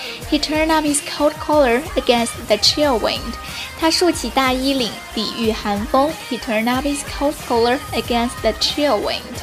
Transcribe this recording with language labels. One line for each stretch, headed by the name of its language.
English: He turned up his coat collar against the chill wind.
Chinese: 他竖起大衣领抵御寒风。
English: He turned up his coat collar against the chill wind.